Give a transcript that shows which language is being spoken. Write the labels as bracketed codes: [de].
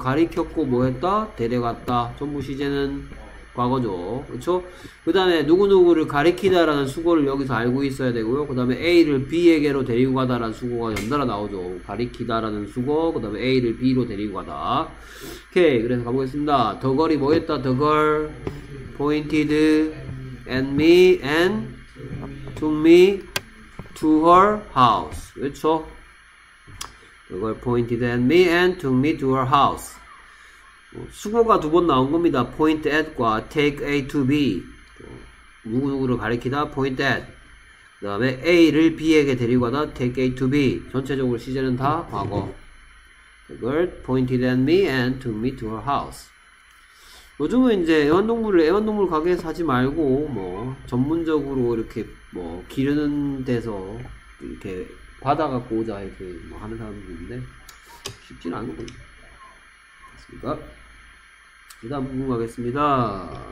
[ko] 가리켰고 뭐 했다? 데려갔다. 전부 시제는 과거죠. 그렇죠? 그 다음에 누구누구를 가리키다라는 수고를 여기서 알고 있어야 되고요. 그 다음에 A를 B에게로 데리고 가다라는 수고가 연달아 나오죠. 가리키다라는 수고, 그 다음에 A를 B로 데리고 가다. 오케이, 그래서 가보겠습니다. [en] The girl [ko] 이 뭐 했다? [en] The girl pointed at me and took me to her house. [ko] 그렇죠? [en] The girl pointed at me and took me to her house. [ko] 수거가 두 번 나온 겁니다. point at과 [en] take A to B. [ko] 누구누구를 가리키다 point at. 그 다음에 A를 B에게 데리고 가다 [en] take A to B. [ko] 전체적으로 시제는 다 과거. [en] The bird pointed at me and took me to her house. [ko] 요즘은 이제 애완동물 가게에서 하지 말고 뭐 전문적으로 이렇게 뭐 기르는 데서 이렇게 받아갖고 오자 이렇게 뭐 하는 사람도 있는데 쉽지는 않거든요. 됐습니까? 그 다음 부분 가겠습니다.